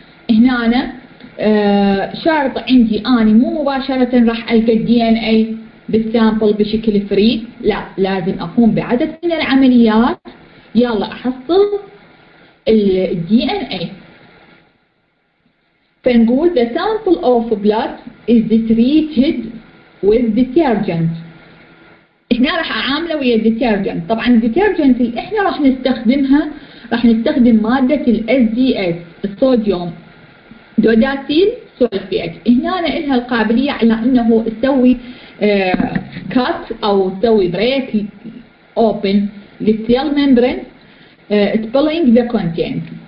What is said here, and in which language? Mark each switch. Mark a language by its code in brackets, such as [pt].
[ar] هنا أنا شرط عندي اني مو مباشره راح القى الدي ان اي بالسامبل بشكل فري، لا لازم اقوم بعدد من العمليات يلا احصل الدي ان اي. فنقول [en] the sample of blood is treated with detergent. [ar] هنا راح اعامله ويا الديترجنت. طبعا الديترجنت اللي احنا راح نستخدمها راح نستخدم ماده الاس دي اس الصوديوم دوداتيل سولفيت. هنا لها القابليه على انه تسوي كات او تسوي بريك اوبن للسيل ممبرين [en] Spilling the content.